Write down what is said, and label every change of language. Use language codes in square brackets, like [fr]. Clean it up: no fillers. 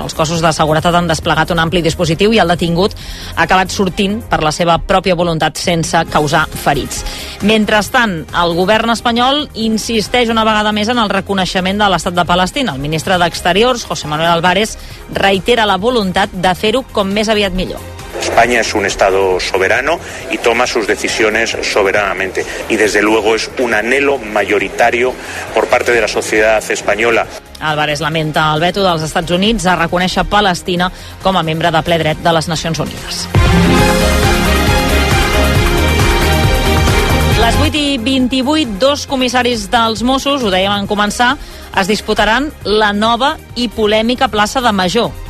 [ca] Els cossos de seguretat han desplegat un ampli dispositiu i el detingut ha acabat sortint per la seva pròpia voluntat sense causar ferits. Mentrestant, el govern espanyol insisteix una vegada més en el reconeixement de l'estat de Palestina. El ministre d'Exteriors, José Manuel Álvarez, reitera la voluntat de fer-ho com més aviat millor. [es] España es un estado soberano y toma sus decisiones soberanamente y desde luego es un anhelo mayoritario por parte de la sociedad española. [ca] Álvarez lamenta el veto dels Estats Units a reconèixer Palestina com a membre de ple dret de les Nacions Unides. Les 8 i 28, dos comissaris dels Mossos, ho dèiem en començar, es disputaran la nova i polèmica plaça de major.